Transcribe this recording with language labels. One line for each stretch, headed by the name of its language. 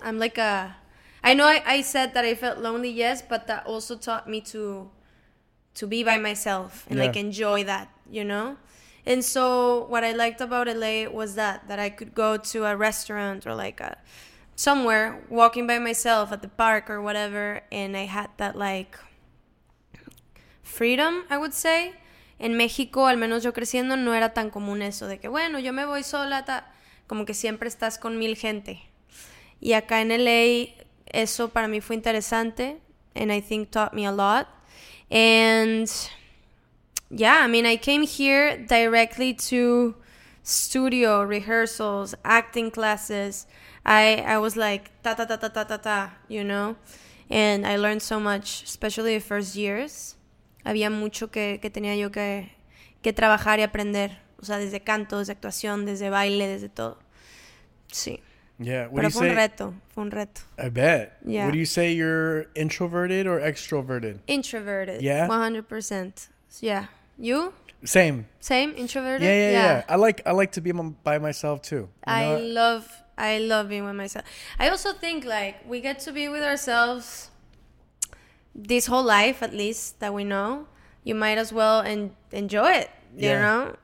English: I'm like a, I know I said that I felt lonely, yes, but that also taught me to be by myself and yeah. like enjoy that, you know? And so what I liked about LA was that I could go to a restaurant or like a somewhere walking by myself at the park or whatever. And I had that like freedom, I would say.
Spanish: En México, al menos yo creciendo, no era tan común eso de que, bueno, yo me voy sola, como que siempre estás con mil gente. Y acá en LA, eso para mí fue interesante,
English: and I think taught me a lot. And, yeah, I mean, I came here directly to studio, rehearsals, acting classes. I was like, ta-ta-ta-ta-ta-ta-ta, you know? And I learned so much, especially the first years.
Spanish: Había mucho que tenía yo que trabajar y aprender. O sea, desde canto, desde actuación, desde baile, desde todo. Sí.
English: Yeah. What
Spanish: Pero fue
English: say,
Spanish: un reto. Fue un reto.
English: I bet. Yeah. Would you say you're introverted or extroverted? Introverted. Yeah? 100%. Yeah. You? Same? Introverted? Yeah. I like to be by myself too. I love being with myself. I also think like we get to be with ourselves this whole life, at least, that we know, you might as well enjoy it, you yeah. know?